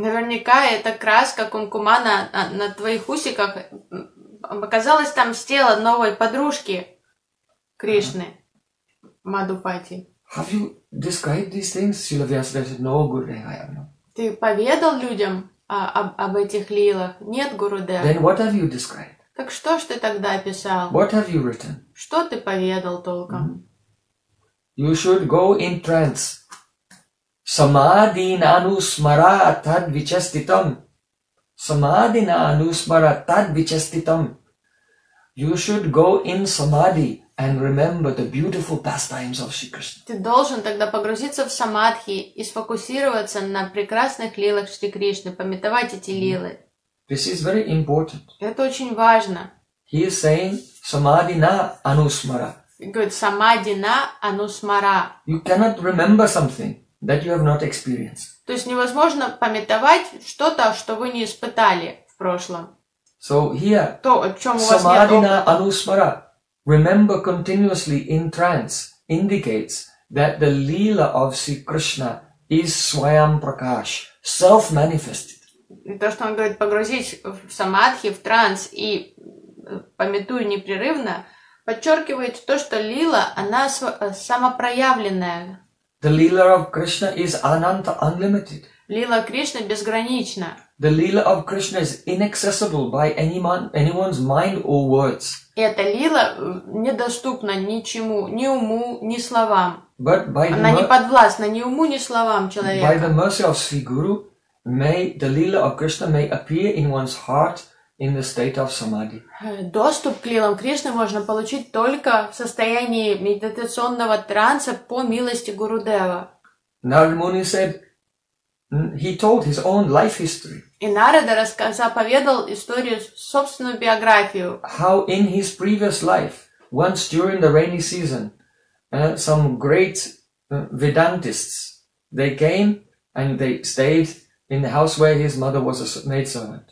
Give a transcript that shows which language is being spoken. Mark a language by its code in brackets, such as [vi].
[ru] Наверняка эта краска кумкума на твоих усиках оказалась там с тела новой подружки Кришны, Мадхупати. [en] Have you described these things? Srila Vyasa, no, Gurudev, I have no. [ru] Ты поведал людям об этих лилах? Нет, Гурудев. [en] Then what have you described? [ru] Так что ж ты тогда писал? [en] What have you written? [ru] Что ты поведал толком? [en] You should go in trance. [sa] Самадина анусмара тад вичаститам. Самадина анусмара тад вичаститам. [en] You should go in samadhi and remember the beautiful pastimes of Shri Krishna. [ru] Ты должен тогда погрузиться в самадхи и сфокусироваться на прекрасных лилах Шри Кришны, памятовать эти лилы. [en] This is very important. [ru] Это очень важно. [en] He is saying [sa] самадина анусмара. Good. Самадина анусмара. [en] You cannot remember something that you have not experienced. [ru] То есть невозможно памятовать что-то, что вы не испытали в прошлом. [en] So here, [ru] то, о чем у вас нет опыта. [en] Samadhina anusmara, remember continuously in trance, indicates that the lila of Sri Krishna is swayam prakash, self-manifested. [ru] То, что он говорит, погрузить в самадхи, в транс и памятую непрерывно, подчеркивает то, что лила, она самопроявленная. [en] The lila of Krishna is ananta, unlimited. [ru] Лила Кришны безгранична. [en] The lila of Krishna is inaccessible by anyone's mind or words. [ru] Эта лила недоступна ничему, ни уму, ни словам. [en] But by [ru] она не подвластна ни уму, ни словам человека. [en] By the mercy of Sri Guru, may the lila of Krishna may appear in one's heart in the state of samadhi. [ru] Доступ к лилам Кришны можно получить только в состоянии медитационного транса по милости Гурудева. [en] Narada Muni said, he told his own life history. [ru] И Нарада рассказал, поведал историю, собственную биографию. [en] How in his previous life, once during the rainy season, some great Vedantists, they came and they stayed in the house where his mother was a maidservant.